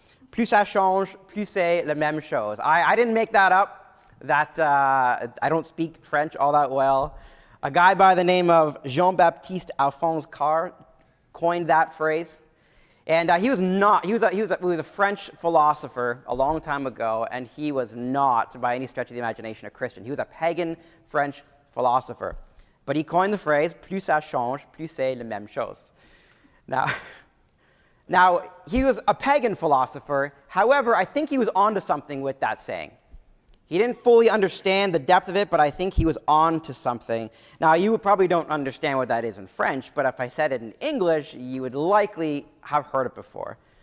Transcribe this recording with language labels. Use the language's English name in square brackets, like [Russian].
[French] Plus ça change, plus c'est la même chose. [English] I didn't make that up. I don't speak French all that well. A guy by the name of Jean-Baptiste Alphonse Carr coined that phrase. And he was a French philosopher a long time ago, and he was not, by any stretch of the imagination, a Christian. He was a pagan French philosopher. But he coined the phrase, [French] plus ça change, plus c'est la même chose. [English] Now, he was a pagan philosopher. However, I think he was onto something with that saying. He didn't fully understand the depth of it, but I think he was on to something. Now, you probably don't understand what that is in French, but if I said it in English, you would likely have heard it before.